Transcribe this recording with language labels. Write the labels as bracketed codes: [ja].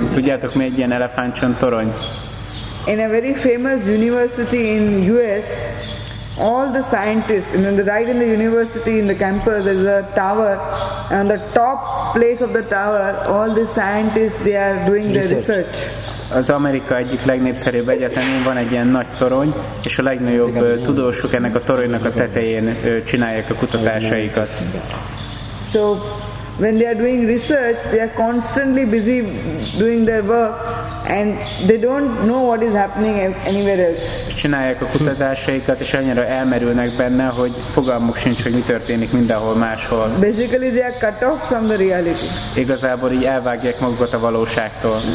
[hu] Tudjátok, mi egy ilyen elefántcsont torony? [en] In a very famous university in US, all the scientists, right in the university, in the campus, there's a tower, and on the top place of the tower, all the scientists, they are doing their research. [hu] Az Amerika egyik legnépszerűbb egyetemén van egy ilyen nagy torony, és a legnagyobb tudósok ennek a toronynak a tetején csinálják a kutatásaikat. [en] So, when they are doing research, they are constantly busy doing their work, and they don't know what is happening anywhere else. [hu] Csinálják a kutatásaikat, és annyira elmerülnek benne, hogy fogalmuk sincs, hogy mi történik mindenhol máshol. [en] Basically, they are cut off from the reality. [hu] Igazából így elvágják magukat a valóságtól.